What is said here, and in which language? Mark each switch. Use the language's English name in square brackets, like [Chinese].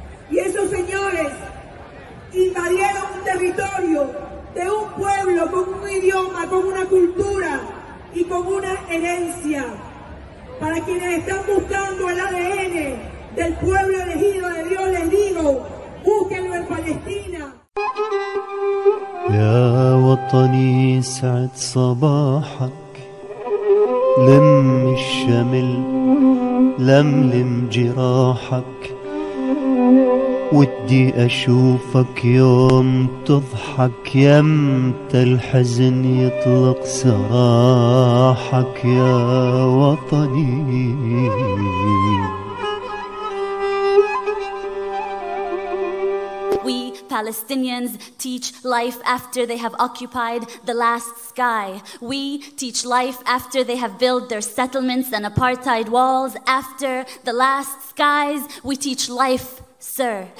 [Spanish] Y esos señores invadieron un territorio de un pueblo con un idioma, con una cultura y con una herencia. Para quienes están buscando el ADN del pueblo elegido de Dios, les digo, búsquenlo en Palestina. [Arabic] يا وطني سعد صباحك لم الشمل لملم جراحك ودي أشوفك يوم تضحك يمت الحزن يطلق سراحك يا وطني [English] We Palestinians teach life after they have occupied the last sky. We teach life after they have built their settlements and apartheid walls. After the last skies, we teach life sir.